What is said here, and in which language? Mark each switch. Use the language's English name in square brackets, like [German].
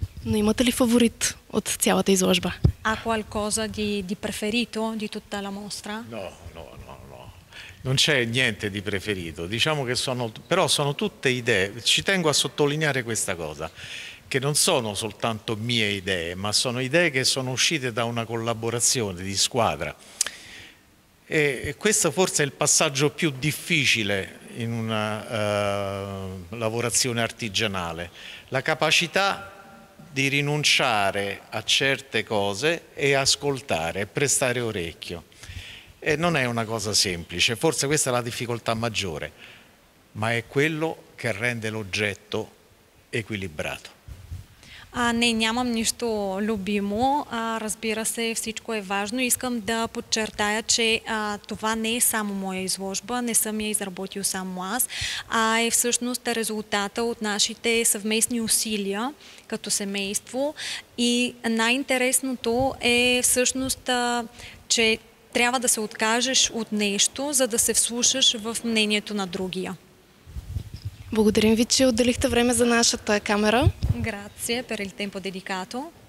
[Bulgarian] Но имате ли фаворит от цялата изложба? [Italian] Ha qualcosa di preferito di tutta la mostra? No. Non c'è niente di preferito, diciamo che sono tutte idee, ci tengo a sottolineare questa cosa, che non sono soltanto mie idee, ma sono idee che sono uscite da una collaborazione di squadra. E questo forse è il passaggio più difficile in una lavorazione artigianale, la capacità di rinunciare a certe cose e ascoltare, prestare orecchio. E non è una cosa semplice, forse questa è la difficoltà maggiore, ma è quello che rende l'oggetto equilibrato. [Bulgarian] Не, нямам нищо любимо. Разбира се, всичко е важно. Искам да подчертая, че това не е само моя изложба, не съм я изработил само аз, а е всъщност резултата от нашите съвместни усилия като семейство. И най-интересното е всъщност, че трябва да се откажеш от нещо, за да се вслушаш в мнението на другия. Благодарим ви, че отделихте време за нашата камера. [Italian] Grazie per il tempo dedicato.